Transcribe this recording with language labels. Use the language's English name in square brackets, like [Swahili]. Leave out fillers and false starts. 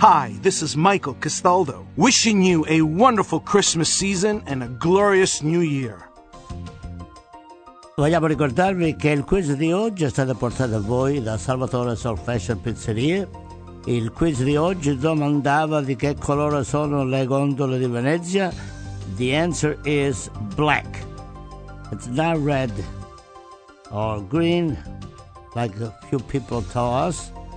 [English] Hi, this is Michael Castaldo, wishing you a wonderful Christmas season and a glorious new year. [Italian] Vogliamo ricordarvi che il quiz di oggi è stato portato a voi da Salvatore Soul Fashion Pizzeria. Il quiz di oggi domandava di che colore sono le gondole di Venezia. [English] The answer is black. It's not red or green, like a few people told us.